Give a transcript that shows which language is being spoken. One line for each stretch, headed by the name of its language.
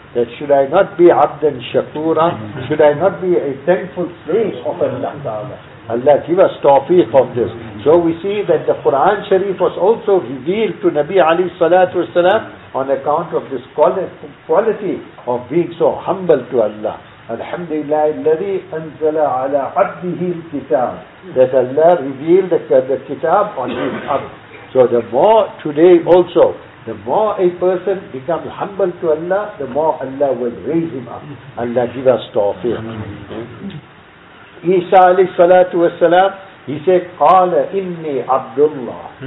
English: That should I not be abdan shakura? Should I not be a thankful slave of Allah Ta'ala? Allah give us tawfiq of this. So we see that the Quran Sharif was also revealed to Nabi Ali Salatu Wasalam on account of this quality of being so humble to Allah.
Arabic: Alhamdulillah, الَّذِي أَنْزَلَ عَلَىٰ عَبْدِهِ الْكِتَابِ.
English: That Allah revealed the kitab on his abd. So the more today also, the more a person becomes humble to Allah, the more Allah will raise him up. Allah give us tawfiq. Isa alayhi salatu wasalam, he said,
Arabic: قَالَ إِنِّي عَبْدُ اللَّهِ.